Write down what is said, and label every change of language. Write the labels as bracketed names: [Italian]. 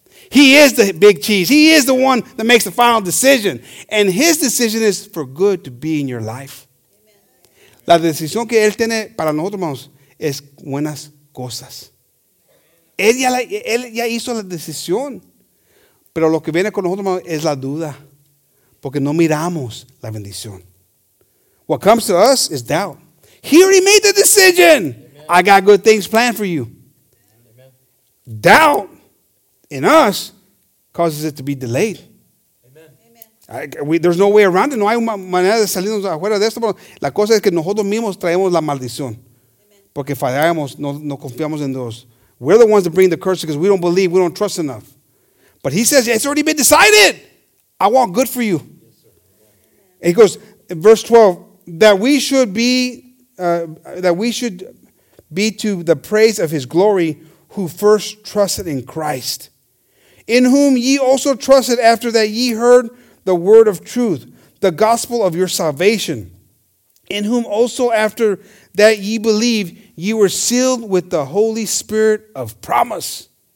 [English] He is the big cheese. He is the one that makes the final decision. And his decision is for good to be in your life. Amen. [Spanish] La decisión que él tiene para nosotros, hermanos, es buenas cosas. Él ya hizo la decisión. Pero lo que viene con nosotros, hermanos, es la duda. [English] Porque no miramos la bendición. What comes to us is doubt. He already made the decision. Amen. I got good things planned for you. Amen. Doubt in us causes it to be delayed. Amen. There's no way around it. [Spanish] No hay manera de salirnos afuera de esto. La cosa es que nosotros mismos traemos la maldición. Amen. Porque fallamos, no confiamos en Dios. [English] We're the ones that bring the curse because we don't believe, we don't trust enough. But he says, it's already been decided. I want good for you. Yes, sir. He goes, in verse 12, that we should be to the praise of his glory who first trusted in Christ, in whom ye also trusted after that ye heard the word of truth, the gospel of your salvation, in whom also after that ye believed, ye were sealed with the Holy Spirit of promise.